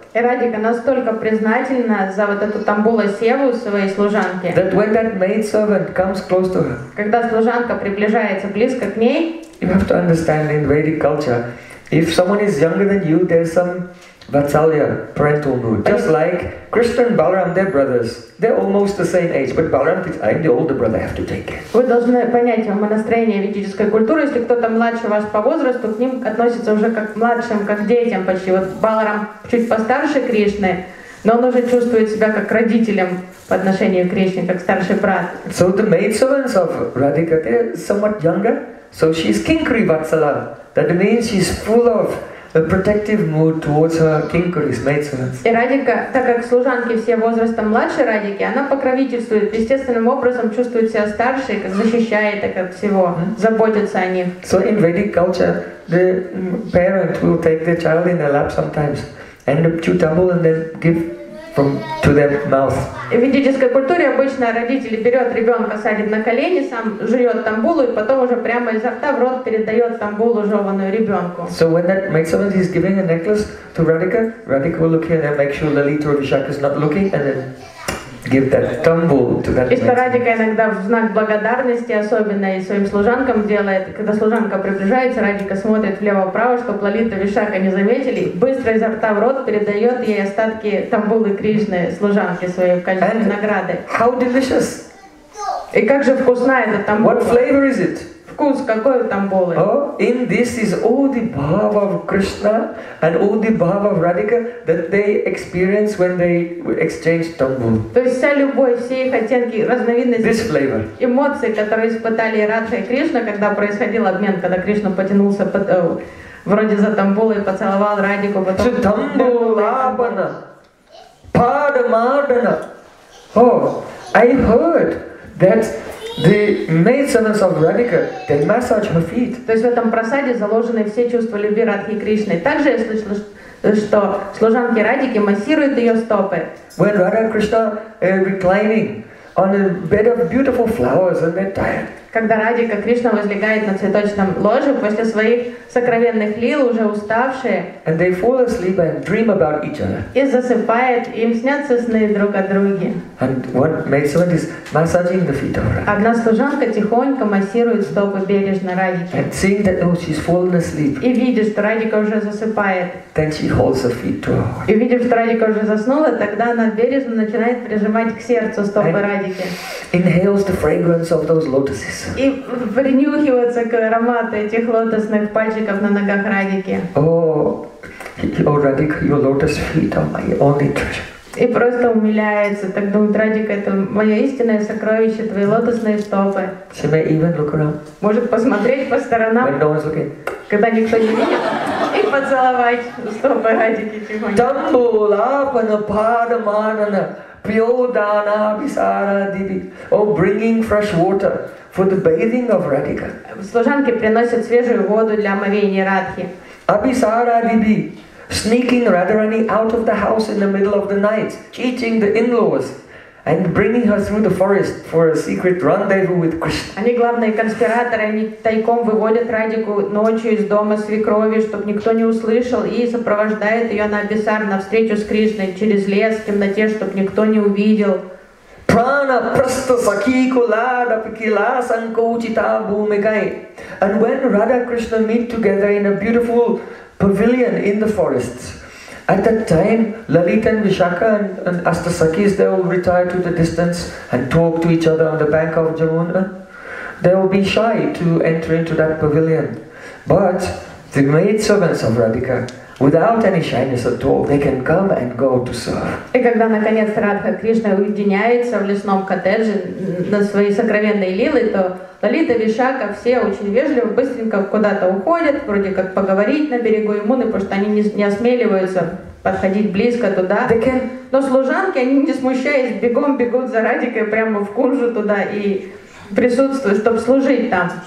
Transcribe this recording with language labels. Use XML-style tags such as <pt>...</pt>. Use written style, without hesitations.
<ru>И Радика настолько признательна за вот эту тамбула севу своей служанки.</ru> <en>That when that maid servant comes close to her.</en> <ru>Когда служанка приближается близко к ней.</ru> <en>You have to understand in Vedic culture, if someone is younger than you, there's some Vatsalya, Pratulu. Just like Krishna and Balaram, they're brothers. They're almost the same age, but Balaram thinks, I'm the older brother, I have to take care.</en> <ru>Вы должны понять, в настроении ведической культуры, если кто-то младше вас по возрасту, к ним относится уже как к младшим, как к детям почти. Вот Баларам чуть постарше Кришны, но он уже чувствует себя как родителем по отношению к Кришне, как старший брат.</ru> <en>So the maidservants of Radhika, they're somewhat younger. So she's Kinkri Vatsala. That means she's full of a protective mood towards her Kinkri's maidservants.</en> <ru>И Радика, так как служанки все возрастом младше Радики, она покровительствует, естественным образом чувствует себя старше, как защищает, так как всего, заботится о них.</ru> <en>So in Vedic culture, the parent will take the child in their lap sometimes and chew tumble and then give from to their mouth.</en> <ru>В ведической культуре обычно родители берет ребенка, садит на колени, сам жует тамбулу и потом уже прямо изо рта в рот передает тамбулу жеванную ребенку.</ru> <en>So when that maidservant is giving a necklace to Radhika, Radhika will look here and make sure Lalita or Vishaka is not looking and then give that tambul to that.</en> <ru>И что Радика иногда в знак благодарности особенно и своим служанкам делает, когда служанка приближается, Радика смотрит влево-вправо, чтобы Лалита и Вишака не заметили, быстро изо рта в рот передает ей остатки тамбулы Кришны служанке своей в качестве</ru> <en>And</en> <ru>награды.</ru> <en>How delicious!</en> <ru>И как же вкусна эта тамбула!</ru> <en>What flavor is it?</en> <ru>Вкус какой тамбулы!</ru> <en>Oh, in this is all the bhava of Krishna and all the bhava of Radhika that they experience when they exchange tambul.</en> <ru>То есть вся любовь, все их оттенки, разновидности.</ru> <en>This flavor.</en> <ru>Эмоции, которые испытали Радха и Кришна, когда происходил обмен, когда Кришна потянулся под, вроде за тамбулой, поцеловал Радику, потом.</ru> <bn>So тамбулабана, падамардана.</bn> <en>Oh, I heard that. The maidservants of Radhika, they massage her feet.</en> <ru>То есть в этом просаде заложены все чувства любви Радхи и Кришны. Также я слышала, что служанки Радики массируют ее стопы.</ru> <en>When Radha and Krishna are reclining on a bed of beautiful flowers and they're tired.</en> <ru>Когда Радика Кришна возлегает на цветочном ложе после своих сокровенных лил, уже уставшие.</ru> <en>And they fall asleep and dream about each other.</en> <ru>И засыпает, им снятся сны друг о друге.</ru> <en>And one maidservant is massaging the feet of Radhika.</en> <ru>Одна служанка тихонько массирует стопы бережно Радики.</ru> <en>And seeing that oh, she's fallen asleep.</en> <ru>И видит, что Радика уже засыпает.</ru> <en>Then she holds her feet to her heart.</en> <ru>И видит, что Радика уже заснула, тогда она бережно начинает прижимать к сердцу стопы Радики.</ru> <en>Inhales the fragrance of those lotuses.</en> <ru>И принюхиваться к аромату этих лотосных пальчиков на ногах Радики.</ru> <en>О, Радика, your lotus feet are my only treasure.</en> <ru>И просто умиляется, так думает, Радика, это мое истинное сокровище, твои лотосные стопы.</ru> <en>She may even look around.</en> <ru>Может посмотреть по сторонам,</ru> <en>when no one's looking.</en> <ru>Когда никто не видит, и поцеловать стопы Радики тихонько.</ru> <bn>Тамбу, лапана, пада, манана. Pyodana Visara Divi.</bn> <en>Oh, bringing fresh water for the bathing of Radhika.</en> <ru>Служанки приносят свежую воду для омовения Радхи.</ru> <bn>Abhisara Divi.</bn> <en>Sneaking Radharani out of the house in the middle of the night, cheating the in-laws, and bringing her through the forest for a secret rendezvous with Krishna.</en> <ru>Они главные конспираторы, они тайком выводят Радику ночью из дома свекрови, чтобы никто не услышал, и сопровождают ее на Абисар, на встречу с Кришной, через лес, в темноте, чтобы никто не увидел.</ru> <bn>Prana prasta sakhi kulada pikila sankochita bhumikai.</bn> <en>And when Radha Krishna meet together in a beautiful pavilion in the forests, at that time, Lalita and Vishaka and Astasakis, they will retire to the distance and talk to each other on the bank of Jamuna. They will be shy to enter into that pavilion. But the maidservants of Radhika, without any shyness at all, they can come and go to serve.</en> <ru>И когда наконец Радха Кришна уединяется в лесном коттедже на свои сокровенные лилы, то Лалита, Вишака, все очень вежливо, быстренько куда-то уходят, вроде как поговорить на берегу Ямуны, потому что они не осмеливаются подходить близко туда. Но служанки, они не смущаясь, бегом бегут за Радикой прямо в кунжу туда и присутствуют, чтобы служить там.</ru>